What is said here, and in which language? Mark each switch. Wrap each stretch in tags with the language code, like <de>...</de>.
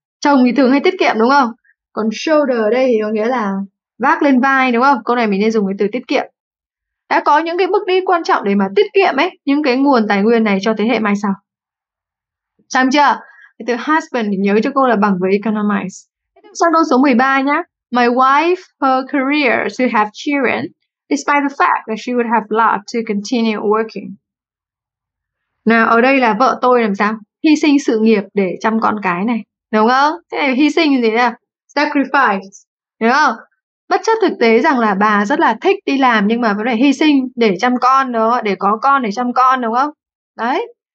<vi>Trồng thì thường hay tiết kiệm đúng không? Còn shoulder đây thì có nghĩa là vác lên vai đúng không? Câu này mình nên dùng cái từ tiết kiệm. Đã có những cái bước đi quan trọng để mà tiết kiệm ấy, những cái nguồn tài nguyên này cho thế hệ mai sau. Xem chưa? Cái từ husband thì nhớ cho cô là bằng với economize. Sang câu số 13 nhá.</vi> <en>My wife, her career to have children despite the fact that she would have loved to continue working.</en> <vi>Nào, ở đây là vợ tôi làm sao? Hy sinh sự nghiệp để chăm con cái này. Đúng không? Thế này hy sinh gì nè? Sacrifice. Đúng không? Bất chấp thực tế rằng là bà rất là thích đi làm nhưng mà vẫn phải hy sinh để chăm con, đúng không? Để có con, để chăm con, đúng không? Đấy.</vi>